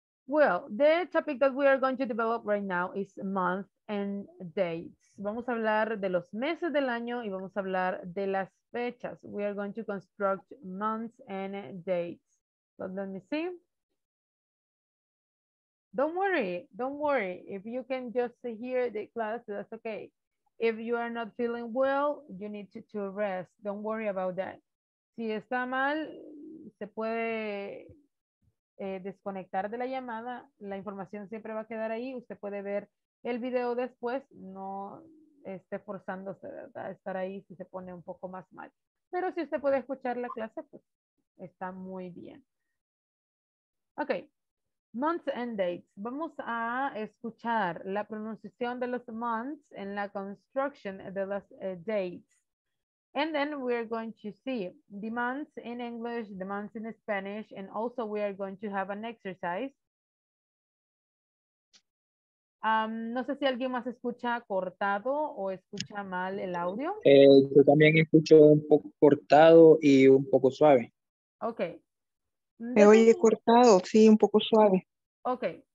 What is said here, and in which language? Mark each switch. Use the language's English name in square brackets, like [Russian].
[English] Well, the topic that we are going to develop right now is month and dates. [Spanish] Vamos a hablar de los meses del año y vamos a hablar de las fechas. [English] We are going to construct months and dates. So let me see. Don't worry. If you can just hear the class, that's okay. If you are not feeling well, you need to rest. Don't worry about that. [Spanish] Si está mal, se puede desconectar de la llamada. La información siempre va a quedar ahí. Usted puede ver el video después. No esté forzándose, ¿verdad? Estar ahí si se pone un poco más mal. Pero si usted puede escuchar la clase, pues está muy bien. Ok. [English] Months and dates. [Spanish] Vamos a escuchar la pronunciación de los months en la construction de las dates. [English] And then we are going to see the months in English, the months in Spanish, and also we are going to have an exercise. [Spanish] No sé si alguien más escucha cortado o escucha mal el audio. Yo también escucho un poco cortado y un poco suave. Ok. Me oye cortado, sí, un poco suave. Ok.